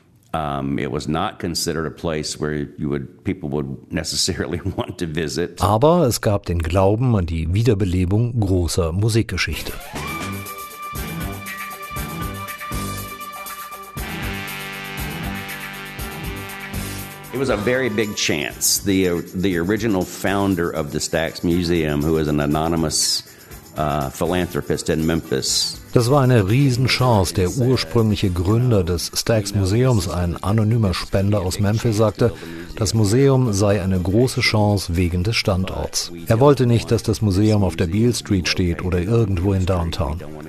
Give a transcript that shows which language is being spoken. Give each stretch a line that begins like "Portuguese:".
English: It was not considered a place where people would necessarily want to visit.
German: Aber es gab den Glauben an die Wiederbelebung großer Musikgeschichte.
English: It was a very big chance. The original founder of the Stax Museum, who is an anonymous philanthropist in Memphis.
German: Das war eine Riesenchance. Der ursprüngliche Gründer des Stax Museums, ein anonymer Spender aus Memphis, sagte, das Museum sei eine große Chance wegen des Standorts. Er wollte nicht, dass das Museum auf der Beale Street steht oder irgendwo in Downtown.